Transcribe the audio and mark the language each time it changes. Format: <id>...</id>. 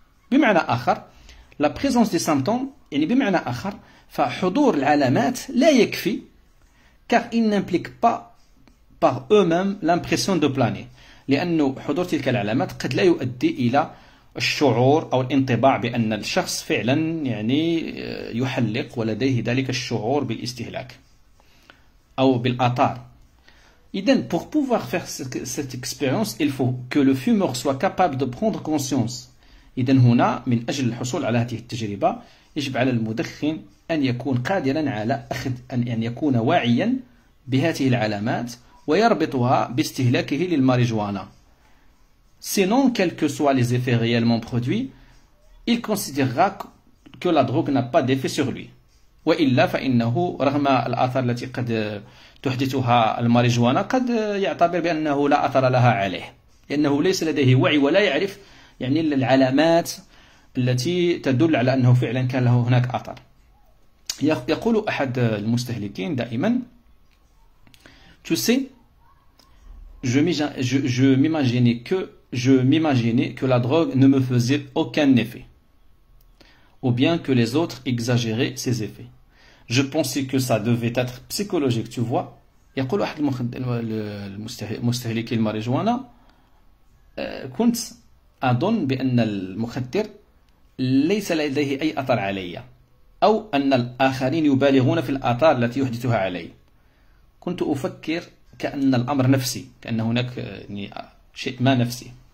<ar>بمعنى آخر</ar> <fr>la présence des symptômes،</fr> <ar>يعني بمعنى آخر فحضور العلامات لا يكفي</ar> <fr>car il n'implique pas par eux-mêmes l'impression de planer،</fr> <ar>لأن حضور تلك العلامات قد لا يؤدي إلى الشعور أو الانطباع بأن الشخص فعلا يعني يحلق ولديه ذلك الشعور بالاستهلاك أو بالآثار.</ar> <fr>إذن pour pouvoir faire cette expérience il faut que le fumeur soit capable de prendre conscience.</fr> <ar>إذن هنا من أجل الحصول على هذه التجربة يجب على المدخن أن يكون قادرا على أخذ أن يكون واعيا بهذه العلامات ويربطها باستهلاكه للماريجوانا.</ar> <fr>Sinon, quels que soient les effets réellement produits, il considérera que la drogue n'a pas d'effet sur lui.</fr> <ar>وإلا فإنه رغم الآثار التي قد تحدثها الماريجوانا قد يعتبر بأنه لا أثر لها عليه، لأنه ليس لديه وعي ولا يعرف يعني العلامات التي تدل على أنه فعلا كان له هناك أثر. يقول أحد المستهلكين دائما</ar> <fr>Tu sais, je m'imaginais que Je m'imaginais que la drogue ne me faisait aucun effet, ou bien que les autres exagéraient ses effets. Je pensais que ça devait être psychologique, tu vois.</fr> <ar>يقول واحد المستهلك الماريجوانا كنت أظن بأن المخدر ليس لديه أي أثر علي أو أن الآخرين يبالغون في الآثار التي يحدثها علي. كنت أفكر كأن الأمر نفسي، كأن هناك شيء ما نفسي.</ar>